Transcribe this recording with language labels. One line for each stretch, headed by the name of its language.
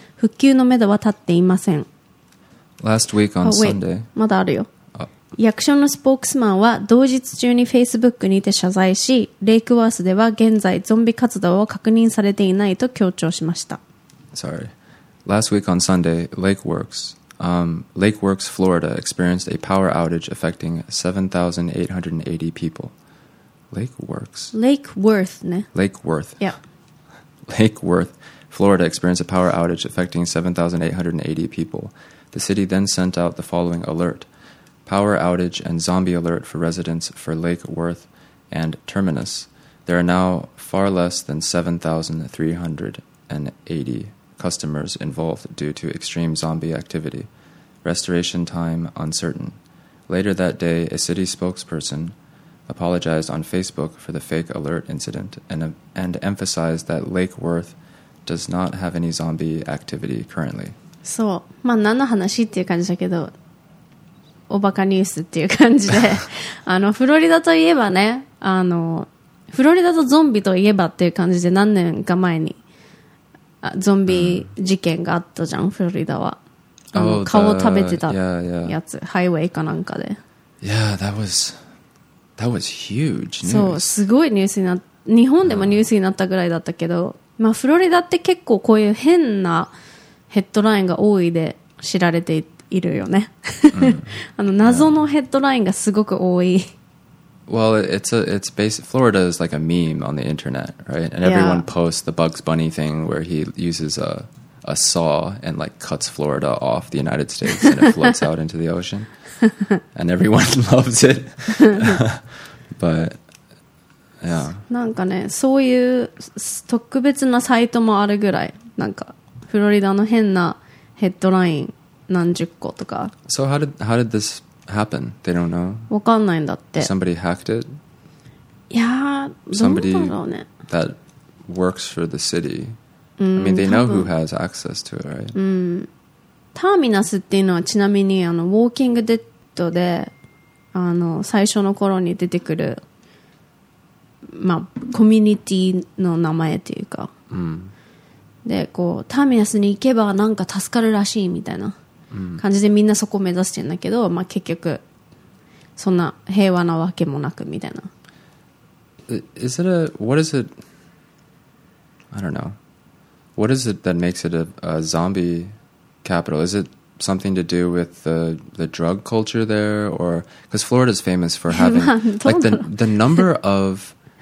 Japanese: 復旧のめどは立っていません。
English: Last week on Sunday.
Japanese: まだあるよ。役所のスポークスマンは同日中に Facebook にて謝罪し、レイクワースでは現在ゾンビ活動は確認されていないと強調しました。
English: Sorry. Last week on Sunday, Lake Works. Lake Works, Florida experienced a power outage affecting 7,880 people. Lake Works? Lake Worth, ne? Lake Worth. Yeah. Lake Worth, Florida experienced a power outage affecting 7,880 people. The city then sent out the following alert. Power outage and zombie alert for residents for Lake Worth and Terminus. There are now far less than 7,380 people. Customers involved due to extreme zombie activity. Restoration time uncertain. Later that day, a city spokesperson apologized on Facebook for the fake alert incident and emphasized that Lake Worth does not have any zombie activity currently.
Japanese: そう、まあ何の話っていう感じだけど、おバカニュースっていう感じで、あのフロリダといえばね、あのフロリダとゾンビといえばっていう感じで何年か前に。ゾンビ事件があったじゃん、フロリダは。あの、顔を食べてたやつ、ハイウェイかなんかで。
English: Yeah, that was That was huge news.
Japanese: そう、すごいニュースになった。日本でもニュースになったぐらいだったけど、まあフロリダって結構こういう変なヘッドラインが多いで知られているよね。あの謎のヘッドラインがすごく多い。
English: Well, it's based, Florida is like a meme on the internet, right? And everyone posts the Bugs Bunny thing where he uses a saw and like cuts Florida off the United States and it floats out into the ocean. And everyone loves it. But, yeah.
Japanese: なんかね、そういう特別なサイトもあるぐらい、なんかフロリダの変なヘッドライン何十個とか。
English: So how did this... happen? They don't know.
Japanese: わかんないんだって。
English: Somebody hacked it?
Japanese: いやー、どうなんだろうね。
English: Somebody that works for the city. I mean, they know who has access to it, right?
Japanese: うん。ターミナスっていうのはちなみに、あの、ウォーキングデッドで、あの、最初の頃に出てくる、まあ、コミュニティの名前っていうか。うん。で、こう、ターミナスに行けばなんか助かるらしいみたいな。感じでみんなそこを目指してんだけど、まあ、結局そんな平和なわけもなくみたいな。
English: Is it a what is it? I don't know. What is it that makes it a zombie capital? Is it something to do with the drug culture there, or because Florida is famous for having like the number of